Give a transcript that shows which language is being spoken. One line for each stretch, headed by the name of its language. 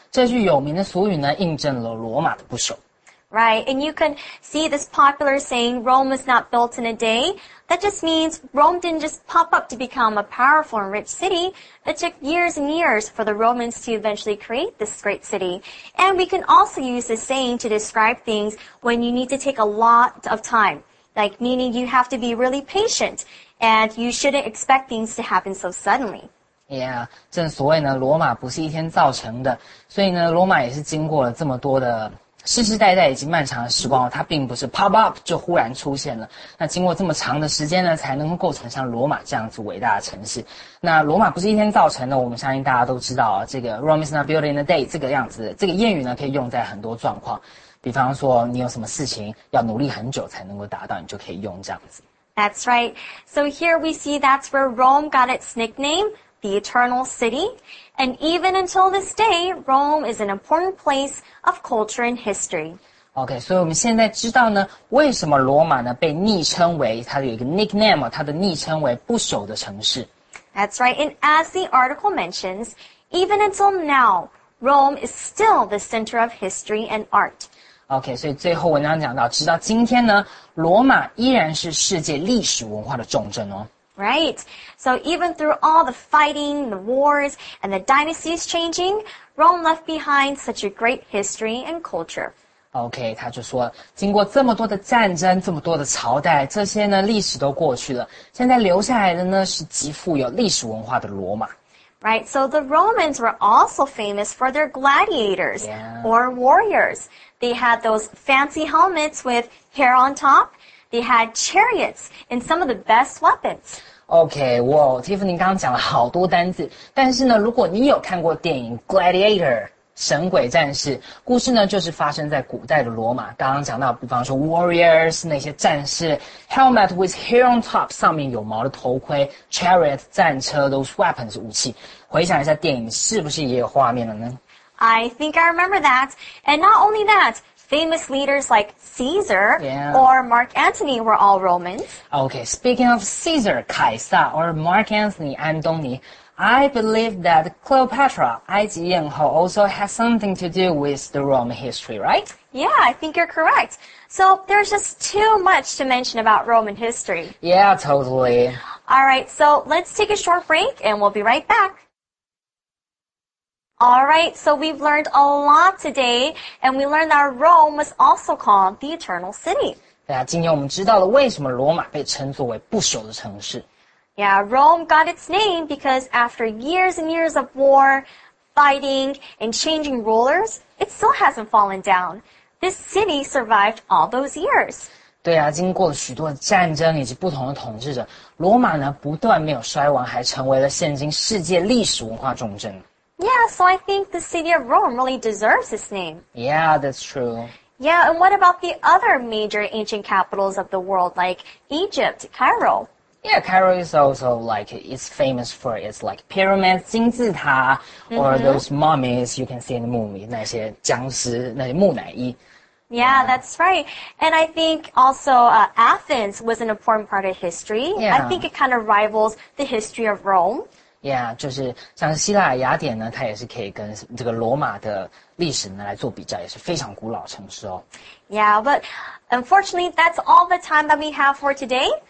Chinese: 这句有名的俗语呢，印证了罗马的不朽。
English: Right, and you can see this popular saying, Rome was not built in a day. That just means Rome didn't just pop up to become a powerful and rich city. It took years and years for the Romans to eventually create this great city. And we can also use this saying to describe things when you need to take a lot of time, like meaning you have to be really patient and you shouldn't expect things to happen so suddenly.
Chinese: Yeah, 正所谓呢，罗马不是一天造成的，所以呢，罗马也是经过了这么多的世世代代以及漫长的时光，它并不是
English: pop up
Chinese: 就忽然出现了。那经过这么长的时间呢，才能够构成像罗马这样子伟大的城市。那罗马不是一天造成的，我们相信大家都知道啊。这个
English: Rome is not built in a day
Chinese: 这个样子，这个谚语呢，可以用在很多状况，比方说你有什么事情要努力很久才能够达到，你就可以用这样子。
English: That's right. So here we see that's where Rome got its nickname. The Eternal City, and even until this day, Rome is an important place of culture and history.
Chinese: Okay, 所以我们现在知道呢，为什么罗马呢被昵称为它有一个 nickname， 它的昵称为不朽的城市。
English: That's right. And as the article mentions, even until now, Rome is still the center of history and art.
Chinese: Okay, 所以最后文章讲到，直到今天呢，罗马依然是世界历史文化的重镇哦。
English: Right. So even through all the fighting, the wars, and the dynasties changing, Rome left behind such a great history and culture.
Chinese: Okay, 他就说，经过这么多的战争，这么多的朝代，这些呢，历史都过去了。现在留下来的呢，是极富有历史文化的罗马。
English: Right, so the Romans were also famous for their gladiators, yeah. or warriors. They had those fancy helmets with hair on top. They had chariots and some of the best weapons. Okay, well,
Chinese: Tiffany 刚刚讲了好多单字，但是呢，如果你有看过电影《Gladiator》神鬼战士，故事呢就是发生在古代的罗马。刚刚讲到，比方说 warriors 那些战士 ，
English: helmet with hair on top
Chinese: 上面有毛的头盔 ，chariot 战车
English: those weapons
Chinese: 武器。回想一下电影，是不是也有画面了呢
English: ？I think I remember that, and not only that. Famous leaders like Caesar yeah. or Mark Antony were all Romans. Okay, speaking of Caesar, 凯撒 or Mark Antony, 安东尼 I believe that Cleopatra, 埃及艳后 also has something to do with the Roman history, right? Yeah, I think you're correct. So there's just too much to mention about Roman history. Yeah, totally. All right, so let's take a short break and we'll be right back. Alright, so we've learned a lot today, and we learned that Rome was also called the Eternal City.
Chinese: 对啊，今天我们知道了为什么罗马被称作为不朽的城市。
English: Yeah, Rome got its name because after years and years of war, fighting, and changing rulers, it still hasn't fallen down. This city survived all those years.
Chinese: 对啊，经过了许多战争以及不同的统治者，罗马呢不断没有衰亡，还成为了现今世界历史文化重镇。
English: Yeah, so I think the city of Rome really deserves this name. Yeah, that's true. Yeah, and what about the other major ancient capitals of the world, like Egypt, Cairo? Yeah, Cairo is also like, it's famous for its like pyramids, 金字塔 or those mummies you can see in the movie,
Chinese: 那些僵尸那些木乃伊
English: Yeah, that's right. And I think also Athens was an important part of history. Yeah. I think it kind of rivals the history of Rome.
Chinese: Yeah, 就是像希腊雅典呢，它也是可以跟这个罗马的历史呢来做比较，也是非常古老城市哦。
English: Yeah, but unfortunately, that's all the time that we have for today.